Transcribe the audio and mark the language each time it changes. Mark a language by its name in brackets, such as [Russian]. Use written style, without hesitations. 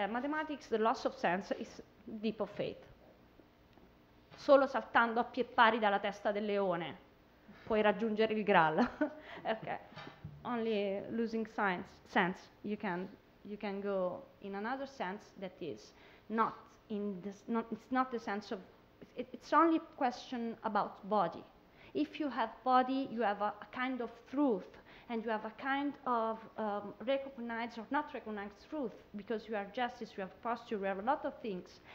[English] Mathematics, the loss of sense, is leap of faith. [Italian] Solo saltando a pie pari dalla testa del leone puoi raggiungere il Graal. [English] Okay. Only losing sense, you can go in another sense that is not in this, not, it's not the sense of, it's only a question about body. If you have body, you have a kind of truth, and you have a kind of recognized or not recognized truth, because you are justice, you have posture, you have a lot of things.